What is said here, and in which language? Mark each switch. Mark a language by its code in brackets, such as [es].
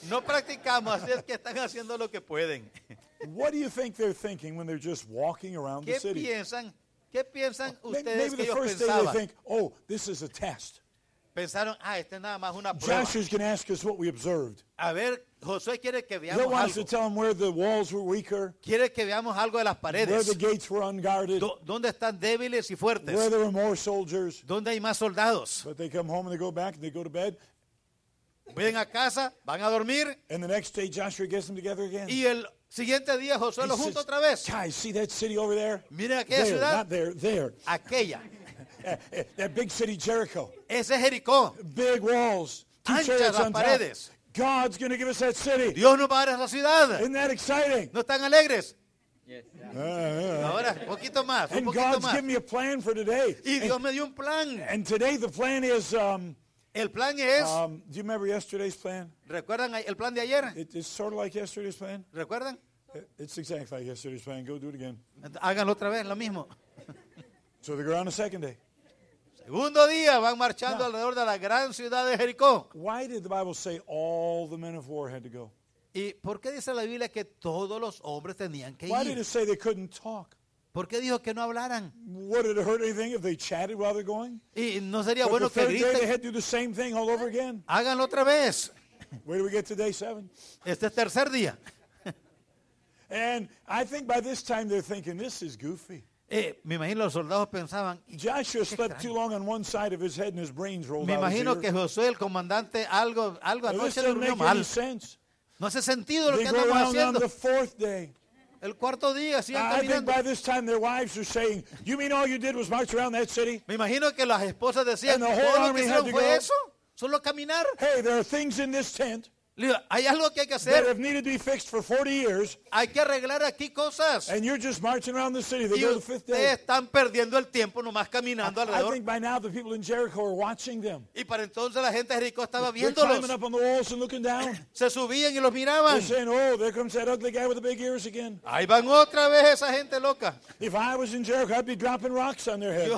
[es] No practicamos, así es que están haciendo lo que pueden. [en] What do you think they're thinking when they're just walking around [es] ¿qué [en] the city? [es] Piensan, ¿Qué piensan ustedes que ellos pensaban? [en] Think, oh, this is a test. [es] Pensaron, ah, este nada más una prueba. [en] Joshua's going to ask us what we observed. [es] A ver, Josué quiere que veamos algo. [en] He wants to tell them where the walls were weaker. [es] Quiere que veamos algo de las paredes. [en] Where the gates were unguarded. [es] ¿Dónde están débiles y fuertes? [en] Where there were more soldiers. [es] ¿Dónde hay más soldados? [en] But they come home and they go back and they go to bed. [es] Vienen a casa, van a dormir. [en] And the next day Joshua gets them together again. [es] Y el siguiente día Josué los junta otra vez. [en] Guys, see that city over there? [es] Miren aquella [en] there, [es] ciudad. [en] Not there, there. [es] Aquella. [en] That big city Jericho. [es] Ese es Jericó. [en] Big walls. [es] Anchas las paredes. [en] Top. God's going to give us that city. [es] Dios nos va a dar esa ciudad. [en] Isn't that exciting? [es] ¿No están alegres? Ahora, poquito más. [en] And God's given me a plan for today. [es] Y Dios me dio un plan. [en] And today the plan is... [es] El plan es... [en] Do you remember yesterday's plan? [es] ¿Recuerdan el plan de ayer? [en] It's sort of like yesterday's plan. [es] ¿Recuerdan? [en] It's exactly like yesterday's plan. Go do it again. [es] Háganlo otra vez, lo mismo. [en] So they go on a second day. [es] Segundo día, van marchando now, alrededor de la gran ciudad de Jericó. [en] Why did the Bible say all the men of war had to go? [es] ¿Y por qué dice la Biblia que todos los hombres tenían que [en] why [es] ir? [en] Why did it say they couldn't talk? [es] ¿Por qué dijo que no hablaran? [en] Would it hurt anything if they chatted while they're going? [es] ¿Y no sería [en] but [es] bueno [en] the third [es] que [en] day they had to do the same thing all over again. [es] Háganlo otra vez. [en] Where do we get to day seven? [es] Este es tercer día. [en] And I think by this time they're thinking this is goofy. [es] Me imagino los soldados pensaban. [en] Joshua slept too long on one side of his head and his brains rolled. [es] Me imagino que Josué, el comandante, algo anoche durmió mal. No hace sentido lo que andaban haciendo. [en] On the fourth day. [es] El cuarto día, sí, [en] I think by this time their wives are saying, "You mean all you did was march around that city?" [es] Me imagino que las esposas decían, "¿Todo lo que hicieron fue eso? Solo caminar?" [en] Hey, there are things in this tent. [es] Hay algo que hay que hacer. [en] That have needed to be fixed for 40 years. [es] Hay que arreglar aquí cosas. [en] And you're just marching around the city. They go the fifth day. [es] Y ustedes están perdiendo el tiempo nomás caminando alrededor. [en] I think by now the people in Jericho are watching them. [es] Y para entonces la gente de Jericó estaba viéndolos. [en] They're climbing up on the walls and looking down. [es] Se subían y los miraban. [en] They're saying, "Oh, there comes that ugly guy with the big ears again." [es] Ahí van otra vez esa gente loca. [en] If I was in Jericho, I'd be dropping rocks on their head.